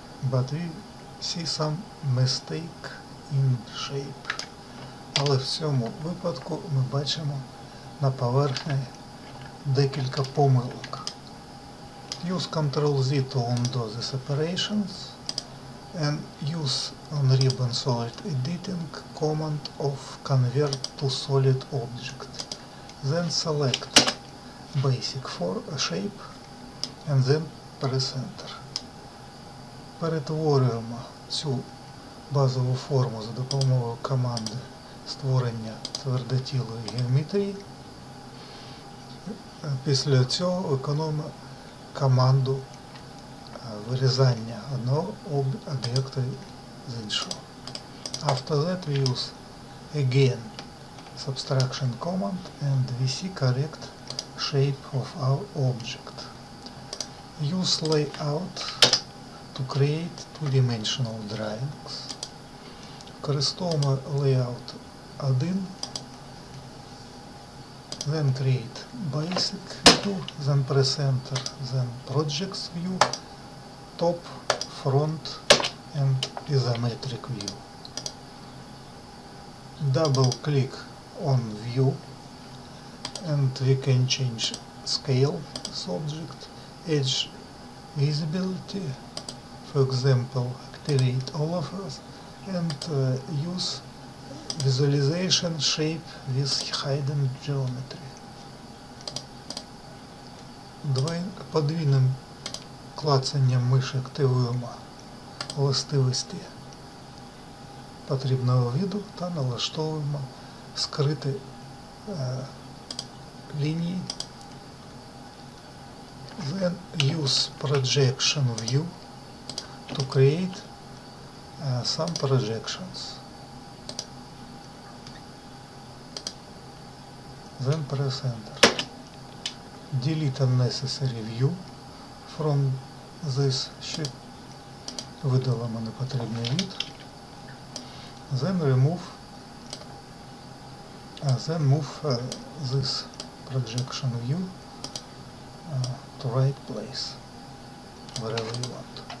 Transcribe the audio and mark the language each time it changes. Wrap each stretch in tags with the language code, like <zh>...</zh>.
<en>But we see some mistake in shape.</en> <uk>Але в цьому випадку ми бачимо на поверхні декілька помилок.</uk> <en>Use Ctrl-Z to undo the separations and use Unribbon Solid Editing command of Convert to Solid Object. Then select Basic for a Shape and then press Enter.</en> <uk>Перетворюємо цю базову форму за допомогою команди створення твердотілої геометрії. Після цього виконуємо команду вирізання одного об'єкта з іншого.</uk> <en>After that we use again subtraction command and we see correct shape of our object. Use layout to create two-dimensional drawings.</en> <uk>Користуємо</uk> <en>layout 1, then create basic view, then press enter, then projects view, top, front and isometric view. Double click on view and we can change scale object, edge visibility, for example activate all of us and use visualization shape with hidden geometry.</en> <uk>Подвійним клацанням миші активуємо властивості потрібного виду та налаштовуємо скрити лінії.</uk> <en>Then use projection view to create some projections. Then press enter. Delete unnecessary view from this sheet.</en> <uk>Видалимо непотрібний вид.</uk> <en>Then remove. Then move this projection view to right place, wherever you want.</en>